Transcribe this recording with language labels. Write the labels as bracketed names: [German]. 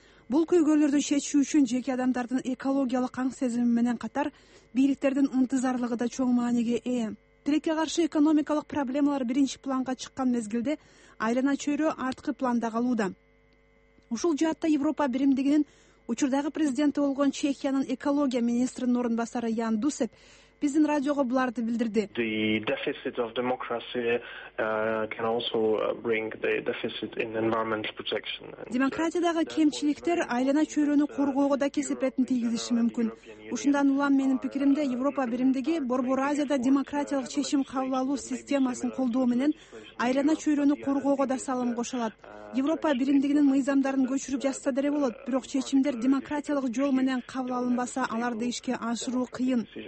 [Kyrgyz] Бул көйгөйлөрдү чечүү үчүн жеке адамдардын экологиялык аң сезими менен катар бийликтердин ынтызарлыгы да чоң мааниге ээ. Тилекке каршы экономикалык проблемалар биринчи планга чыккан мезгилде айлана чөйрө арткы планда калууда. Ушул жаатта Европа биримдигинин учурдагы президенти болгон Чехиянын экология министринин орун басары Ян Дусеп биздин радиого буларды билдирди. [English] The deficit of democracy can also bring the deficit in environmental protection. [Kyrgyz] Демократиядагы кемчиликтер айлана чөйрөнү коргоого да кесепетин тийгизиши мүмкүн. Ушундан улам менин пикиримде Европа биримдиги Борбор Азияда демократиялык чечим кабыл алуу системасын колдоо менен айлана чөйрөнү коргоого да салым кошо алат. Европа биримдигинин мыйзамдарын көчүрүп жазса деле болот, бирок чечимдер демократиялык жол менен кабыл алынбаса аларды ишке ашыруу кыйын.